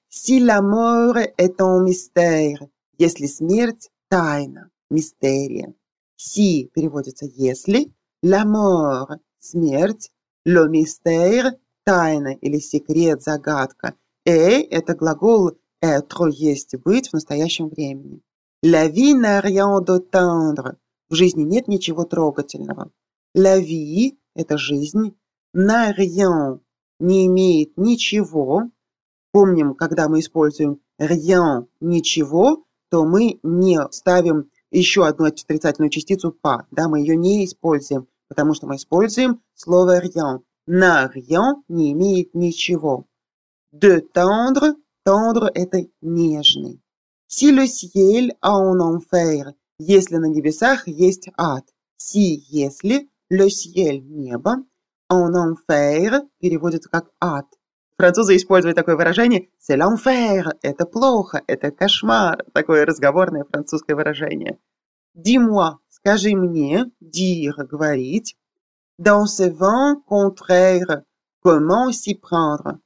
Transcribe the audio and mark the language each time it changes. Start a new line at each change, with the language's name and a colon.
French: Si la mort est un mystère.
Russian: Если смерть – тайна, мистерия. Si переводится «если».
French: La mort – смерть. Le mystère
Russian: – тайна или секрет, загадка. Et – это глагол être, есть, быть в настоящем времени.
French: La vie n'a rien de tendre.
Russian: В жизни нет ничего трогательного.
French: La vie
Russian: – это жизнь.
French: N'a rien
Russian: – не имеет ничего. Помним, когда мы используем rien, ничего, то мы не ставим еще одну отрицательную частицу pas. Да, мы ее не используем, потому что мы используем слово rien. На rien не имеет ничего.
French: De tendre,
Russian: tendre – это нежный.
French: Si le ciel a un enfer,
Russian: если на небесах есть ад. Si, если, le ciel – небо. «En enfer» переводится как «ад». Французы используют такое выражение
French: «c'est l'enfer»
Russian: – это плохо, это кошмар. Такое разговорное французское выражение.
French: «Dis-moi»
Russian: – скажи мне, «dire» – говорить.
French: «Dans ce vent contraire, comment s'y prendre?»